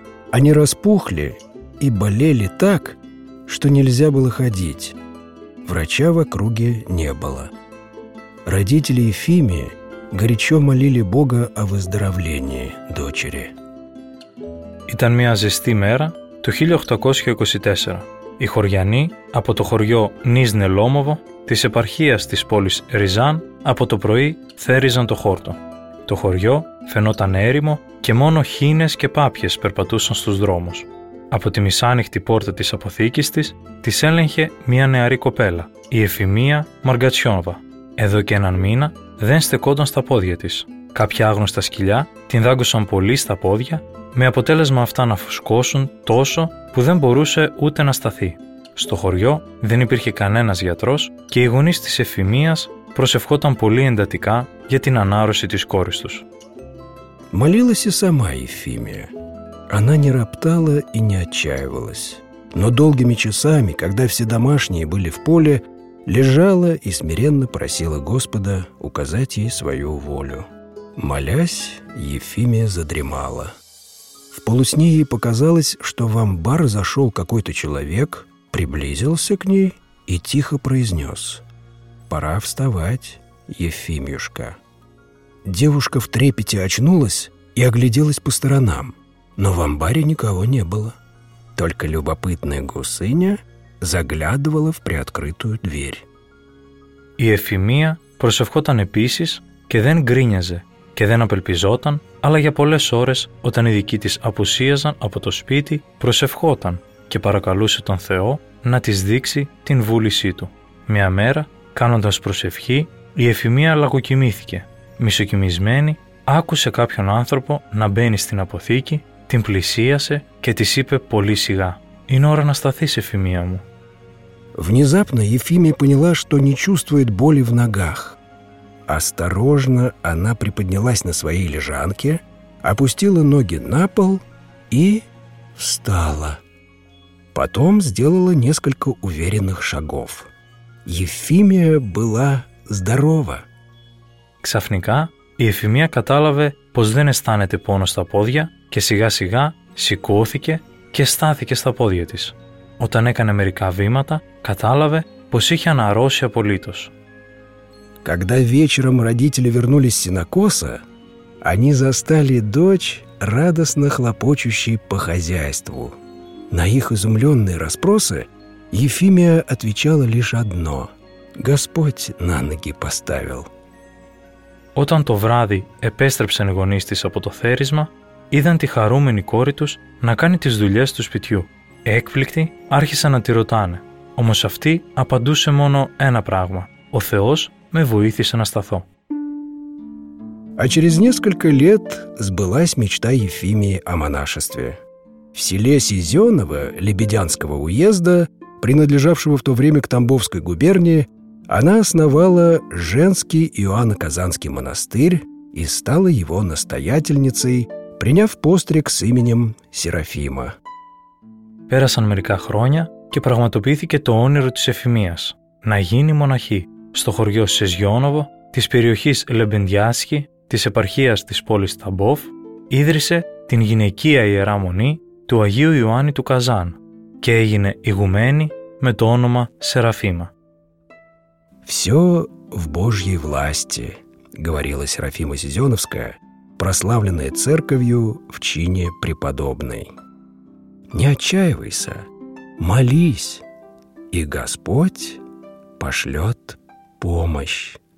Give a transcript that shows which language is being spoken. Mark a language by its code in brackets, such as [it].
[ru] Они распухли и болели так, что нельзя было ходить. Врача в округе не было. Родители Ефимии горячо молили Бога о выздоровлении дочери. [el] Ήταν μια ζεστή μέρα το 1824. Οι χωριανοί από το χωριό Νίζνε Λόμοβο της επαρχίας της πόλης Ριζάν από το πρωί θέριζαν το χόρτο. Το χωριό φαινόταν έρημο και μόνο χήνες και πάπιες περπατούσαν στους δρόμους. Από τη μισάνοιχτη πόρτα της αποθήκης της έλεγχε μια νεαρή κοπέλα, η Εφημία Μαργκατσιόνοβα. Εδώ και έναν μήνα δεν στεκόταν στα πόδια της. Κάποια άγνωστα σκυλιά την δάγκωσαν πολύ στα πόδια, με αποτέλεσμα αυτά να φουσκώσουν τόσο που δεν μπορούσε ούτε να σταθεί. Στο χωριό δεν υπήρχε κανένας γιατρός και οι γονείς της Εφημίας προσευχόταν πολύ εντατικά για την ανάρρωση της κόρης τους. [ru] Молилась и сама Ефимия. Она не роптала и не отчаивалась. Но долгими часами, когда все домашние были в поле, лежала и смиренно просила Господа указать ей свою волю. Молясь, Ефимия задремала. В полусне ей показалось, что в амбар зашел какой-то человек, приблизился к ней и тихо произнес: «Пора вставать, Ефимьюшка». Девушка в трепете очнулась и огляделась по сторонам, но в амбаре никого не было. Только любопытная гусыня заглядывала в приоткрытую дверь. [el] Η Εφημία προσευχόταν επίσης και δεν γκρίνιαζε και δεν απελπιζόταν, αλλά για πολλές ώρες, όταν οι δικοί της απουσίαζαν από το σπίτι, προσευχόταν και παρακαλούσε τον Θεό να της δείξει την βούλησή του. Μια μέρα, κάνοντας προσευχή, η Εφημία λαγοκοιμήθηκε. Μισοκοιμισμένη, άκουσε κάποιον άνθρωπο να μπαίνει στην αποθήκη, την πλησίασε και της είπε πολύ σιγά: «Είναι ώρα να σταθείς, Εφημία μου». [ru] Внезапно Ефимия поняла, что не чувствует боли в ногах. Осторожно она приподнялась на своей лежанке, опустила ноги на пол и встала. Потом сделала несколько уверенных шагов. Ефимия была здорова. [el] Ξαφνικά, η Εφημία κατάλαβε πως δεν αισθάνεται πόνο στα πόδια και σιγά σιγά σηκώθηκε και στάθηκε στα πόδια της. Όταν έκανε μερικά βήματα, κατάλαβε πως είχε αναρρώσει απολύτως. [ru] Когда вечером родители вернулись с сенокоса, они застали дочь, радостно хлопочущей по хозяйству. На их изумленные расспросы Ефимия отвечала лишь одно: «Господь на ноги поставил». [el] Όταν το βράδυ επέστρεψαν οι γονείς της από το θέρισμα, είδαν τη χαρούμενη κόρη τους να κάνει τις δουλειές του σπιτιού. Έκπληκτοι, άρχισαν να τη ρωτάνε. Όμως αυτή απαντούσε μόνο ένα πράγμα: «Ο Θεός με βοήθησε να σταθώ». [ru] А через несколько лет сбылась мечта Ефимии о монашестве. В селе Сизёново Лебедянского уезда, принадлежавшего в то время к Тамбовской губернии, она основала женский Иоанна Казанский монастырь и стала его настоятельницей, приняв постриг с именем Серафима. [el] Πέρασαν μερικά χρόνια και πραγματοποιήθηκε το όνειρο της Εφημίας να γίνει μοναχή στο χωριό Σεζιόνοβο της περιοχής Λεμπεντιάσκη της επαρχίας της πόλης Ταμπόφ. Ίδρυσε την γυναικεία Ιερά Μονή του Αγίου Ιωάννη του Καζάν και έγινε ηγουμένη με το όνομα Σεραφίμα. [ru] «Все в Божьей власти», — говорила Серафима Сизеновская, прославленная церковью в чине преподобной. «Не отчаивайся, молись, и Господь пошлет помощь».